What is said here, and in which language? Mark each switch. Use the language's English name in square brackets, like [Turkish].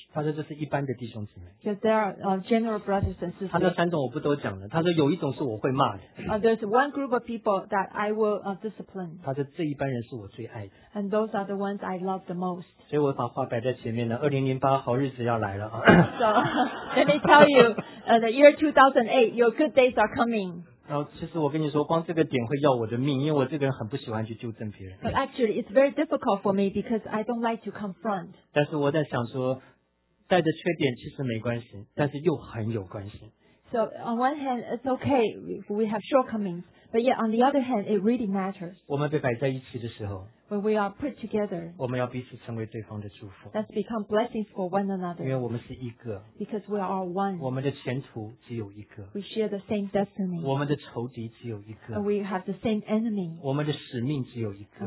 [Chinese] 他说这是一般的弟兄姊妹。 [English] Because there are general brothers and sisters. [Chinese] 他说三种我不都讲了。他说有一种是我会骂的。 [English] There's one group of people that I will discipline. [Chinese] 他说这一般人是我最爱的。 [English] And those are the ones I love the most. [Chinese] 所以我把话摆在前面了。 2008好日子要来了。 [English] So let me tell you, the year 2008, your good days are coming. [Chinese] 然后其实我跟你说光这个点会要我的命因为我这个人很不喜欢去纠正别人 [English] But actually it's very difficult for me because I don't like to confront [Chinese] 但是我在想说带着缺点其实没关系但是又很有关系 [English] So So on one hand, it's okay if we have shortcomings, but yet on the other hand, it really matters. [Chinese] 我们被摆在一起的时候, [English] when we are put together, [Chinese] 我们要彼此成为对方的祝福。 [English] Let's become blessings for one another. [Chinese] 因为我们是一个, [English] because we are one. [Chinese] 我们的前途只有一个, [English] we share the same destiny. [Chinese] 我们的仇敌只有一个, [English] and we have the same enemy. [Chinese] 我们的使命只有一个,